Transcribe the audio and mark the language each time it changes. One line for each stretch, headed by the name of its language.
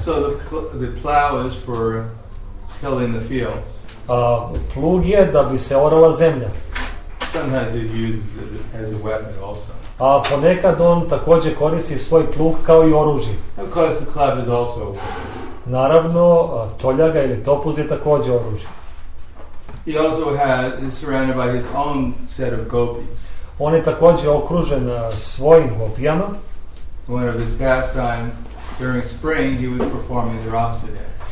English: So the plow is for tilling the field.
Serbian: Plug je da bi se orala zemlja.
English: Sometimes he uses it as a weapon also.
Serbian: A ponekad on također koristi svoj plug kao i oružje.
English: Of course the club is also a weapon.
Serbian: Naravno, toljaga ili topuz je također oružje.
English: He also is surrounded by his own set of gopis.
Serbian: On je također okružen svojim gopijama.
English: One of his pastimes during spring he would perform his rasa dance.